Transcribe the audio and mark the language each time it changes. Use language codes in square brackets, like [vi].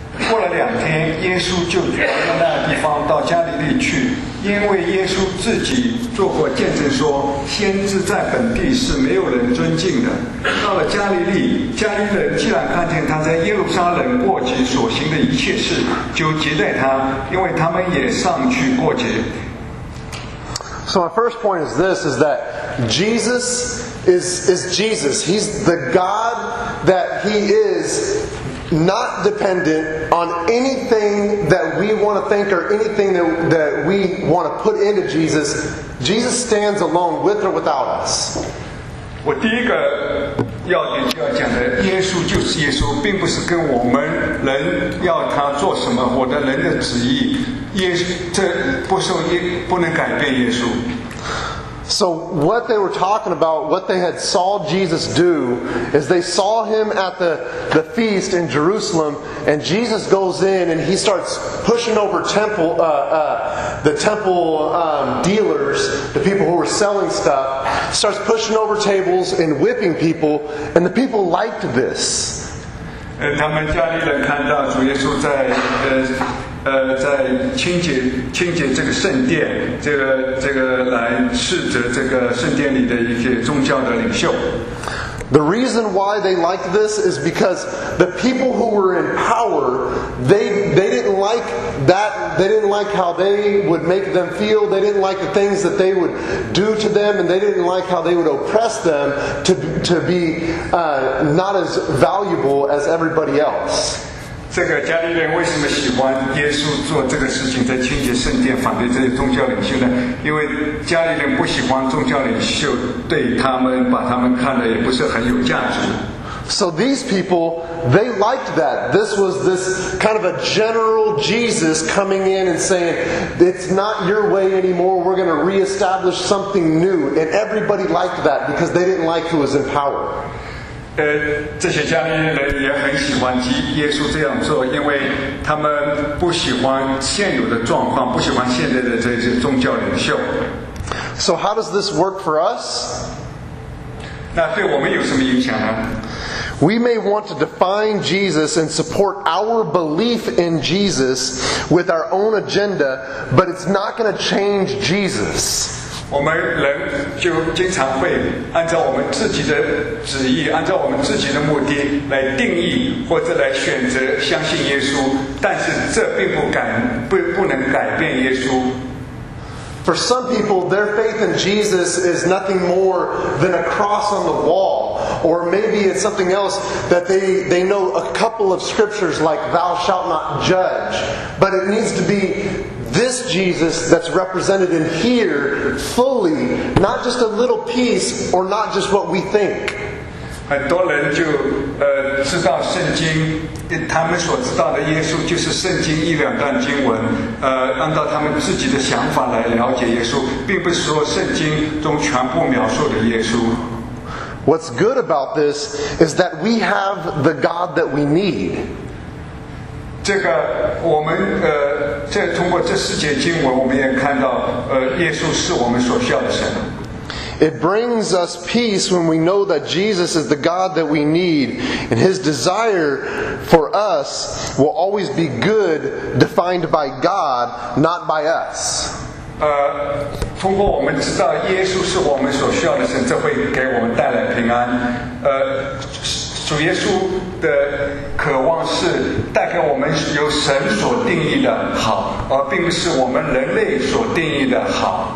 [zh] 过了两天，耶稣就去了那地方，到加利利去，因为耶稣自己做过见证说，先知在本地是没有人尊敬的。到了加利利，加利人既然看见他在耶路撒冷过节所行的一切事，就接待他，因为他们也上去过节。 [en] So my first point is this, is that Jesus is Jesus. He's the God that he is. Not dependent on anything that we want to think or anything that we want to put into Jesus. Jesus stands alone with or without us. [zh] 我第一个要点就要讲的，耶稣就是耶稣，并不是跟我们人要他做什么，或者人的旨意，耶稣这不受耶不能改变耶稣。 [en] So what they were talking about, what they had saw Jesus do, is they saw him at the feast in Jerusalem, and Jesus goes in and he starts pushing over the temple dealers, the people who were selling stuff, starts pushing over tables and whipping people, and the people liked this. [zh] 他们家里人看到主耶稣在在清洁这个圣殿，这个来斥责这个圣殿里的一些宗教的领袖。 [en] The reason why they liked this is because the people who were in power, they didn't like that. They didn't like how they would make them feel. They didn't like the things that they would do to them, and they didn't like how they would oppress them to be not as valuable as everybody else. [zh] 这个加利人为什么喜欢耶稣做这个事情，在清洁圣殿，反对这些宗教领袖呢？因为加利人不喜欢宗教领袖对他们，把他们看得也不是很有价值。 [en] So these people, they liked that. This was this kind of a general Jesus coming in and saying, it's not your way anymore, we're going to reestablish something new. And everybody liked that because they didn't like who was in power. [zh] 这些加利人也很喜欢耶稣这样做，因为他们不喜欢现有的状况，不喜欢现在的这些宗教领袖。 [en] So how does this work for us? [zh] 那对我们有什么影响呢？ [en] We may want to define Jesus and support our belief in Jesus with our own agenda, but it's not going to change Jesus. [zh] 我们人就经常会按照我们自己的旨意，按照我们自己的目的来定义或者来选择相信耶稣，但是这并不能改变耶稣。 [en] For some people, their faith in Jesus is nothing more than a cross on the wall. Or maybe it's something else that they know a couple of scriptures like, Thou shalt not judge. But it needs to be this Jesus that's represented in here fully, not just a little piece or not just what we think. [zh] 很多人就知道圣经，他们所知道的耶稣就是圣经一两段经文，按照他们自己的想法来了解耶稣，并不是说圣经中全部描述的耶稣。 [en] What's good about this is that we have the God that we need. [zh] 这个我们通过这四节经文，我们也看到耶稣是我们所需要的神。 [en] It brings us peace when we know that Jesus is the God that we need, and His desire for us will always be good, defined by God, not by us. [zh] 通过我们知道耶稣是我们所需要的神，这会给我们带来平安。主耶稣的渴望是带给我们由神所定义的好，而并不是我们人类所定义的好。